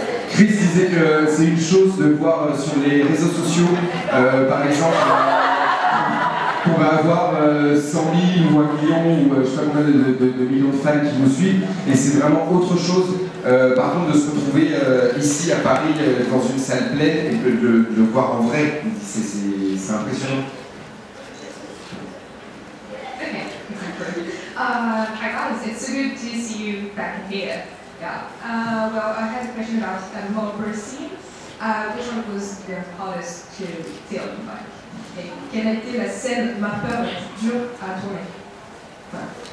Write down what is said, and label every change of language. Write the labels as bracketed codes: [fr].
[fr] Chris disait que c'est une chose de voir sur les réseaux sociaux, par exemple, qu'on va avoir 100 000 ou 1 million ou je sais pas combien de millions de fans qui nous suivent, et c'est vraiment autre chose. Par contre, de se retrouver ici à Paris dans une salle pleine et de le voir en vrai, c'est impressionnant. [en] Okay. I got it. It's so good to see you back in here. Yeah. Well, I had a question about the Marlboro scene. Which one was the hardest to film? Like, okay. [fr] Quelle était la scène ma peur dure à tourner?